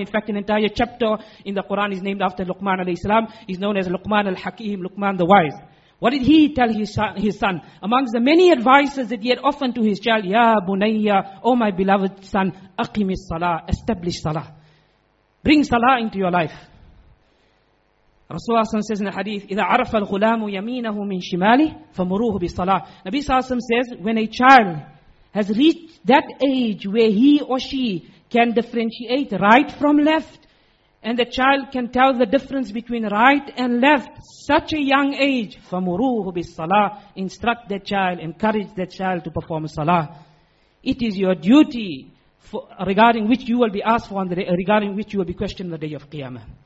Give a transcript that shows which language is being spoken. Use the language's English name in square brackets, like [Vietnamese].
[English] In fact, an entire chapter in the Quran is named after Luqman alayhi salam. He's known as Luqman al-Hakim, Luqman the wise. What did he tell his son? Amongst the many advices that he had offered to his child, Ya bunayya, oh my beloved son, aqimi salah, establish salah. Bring salah into your life. Rasulullah SAW says in the hadith, [Arabic] إِذَا عَرَفَ الْغُلَامُ يَمِينَهُ مِنْ شِمَالِهِ فَمُرُوهُ بِالصَّلَاةِ. [English] Nabi SAW says, when a child has reached that age where he or she can differentiate right from left, and the child can tell the difference between right and left, such a young age, [Arabic] فَمُرُوهُ بِالصَّلَاةِ. [English] Instruct that child, encourage that child to perform salah. It is your duty regarding which you will be asked for on the day, regarding which you will be questioned on the day of Qiyamah.